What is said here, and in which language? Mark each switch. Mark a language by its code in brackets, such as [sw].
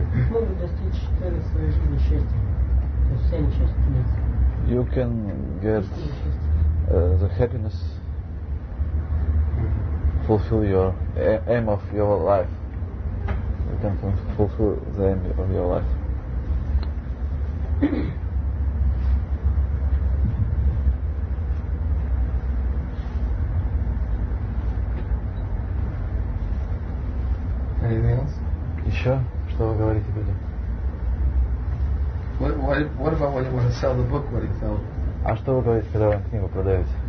[ru] Можно достичь цели своей жизни счастья. Все несчастья нет. [en] You can get the happiness, fulfill your aim of your life. You can fulfill the aim of your life. [ru] Еще? Что вы говорите люди? [en] What about when you want to sell the book? What do you tell? [ru] А что вы говорите, когда вы книгу продаете?